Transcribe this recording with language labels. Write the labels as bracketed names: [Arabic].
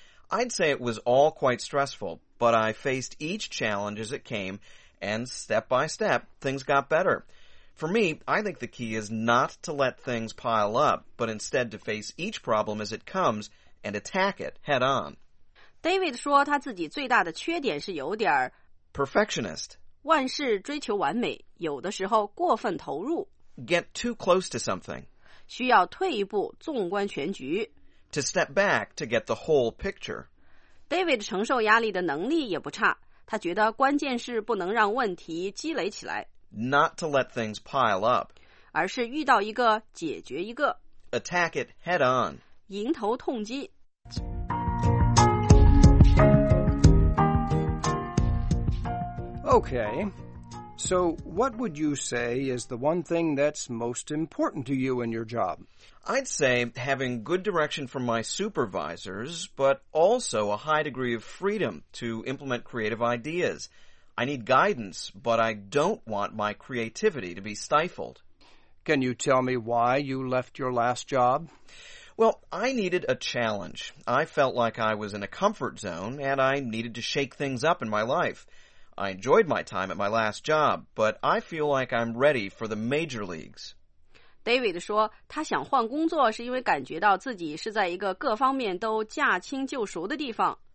[English] I'd say it was all quite stressful, but I faced each challenge as it came, and step by step, things got better. For me, I think the key is not to let things pile up, but instead to face each problem as it comes and attack it head on. [Chinese] David 说他自己最大的缺点是有点儿 [English] Perfectionist. [Chinese] 万事追求完美，有的时候过分投入。 [English] Get too close to something. [Chinese] 需要退一步，纵观全局。 [English] To step back to get the whole picture. [Chinese] David 承受压力的能力也不差，他觉得关键是不能让问题积累起来。 [English] Not to let things pile up. [Chinese] 而是遇到一个，解决一个。 [English] Attack it head on. [Chinese] 迎头痛击。 [English] Okay, so what would you say is the one thing that's most important to you in your job? I'd say having good direction from my supervisors, but also a high degree of freedom to implement creative ideas. I need guidance, but I don't want my creativity to be stifled. Can you tell me why you left your last job? Well, I needed a challenge. I felt like I was in a comfort zone, and I needed to shake things up in my life. I enjoyed my time at my last job, but I feel like I'm ready for the major leagues. [Chinese] David 说他想换工作是因为感觉到自己是在一个各方面都驾轻就熟的地方。